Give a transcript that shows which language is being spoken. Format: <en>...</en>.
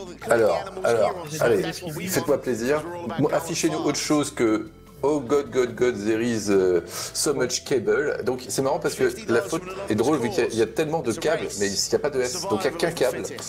<fr>Alors, allez, faites-moi plaisir. Bon, affichez-nous autre chose que...</fr> <en>Oh God, God, God, there is so much cable.</en> <fr>Donc c'est marrant parce que la faute est drôle vu qu'il y a tellement de câbles, mais il n'y a pas de S, donc il n'y a qu'un câble.</fr>